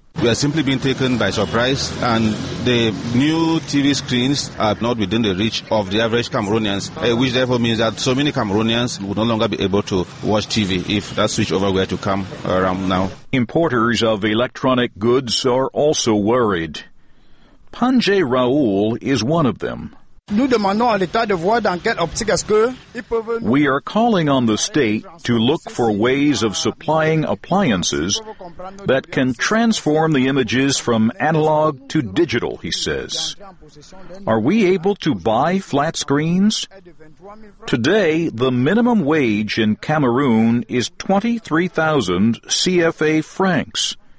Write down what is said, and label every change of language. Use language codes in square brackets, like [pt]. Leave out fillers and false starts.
[en] We are simply being taken by surprise, and the new TV screens are not within the reach of the average Cameroonians, which therefore means that so many Cameroonians would no longer be able to watch TV if that switchover were to come around now. Importers of electronic goods are also worried. Panjay Raoul is one of them. [fr] Nous demandons à l'État de voir dans quelle optique est-ce que ils peuvent. [en] We are calling on the state to look for ways of supplying appliances that can transform the images from analog to digital, he says. Are we able to buy flat screens? Today, the minimum wage in Cameroon is 23,000 CFA francs.